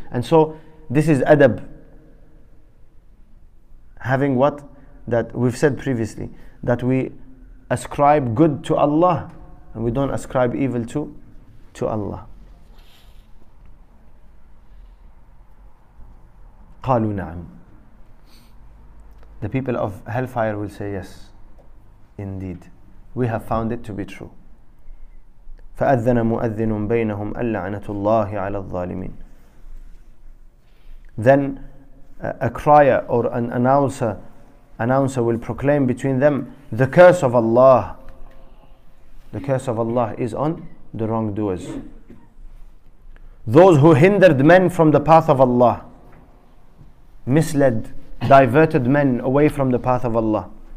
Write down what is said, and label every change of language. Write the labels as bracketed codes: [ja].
[en] And so this is adab, having what that we've said previously, that we ascribe good to Allah and we don't ascribe evil to Allah. [ar] قالوا نعم. [en] The people of hellfire will say, yes, indeed, we have found it to be true. [ar] فأذن مؤذن بينهم اللعنة الله على الظالمين. [en] Then a crier or an announcer will proclaim between them, the curse of Allah. The curse of Allah is on the wrongdoers. Those who hindered men from the path of Allah, misled, diverted men away from the path of Allah.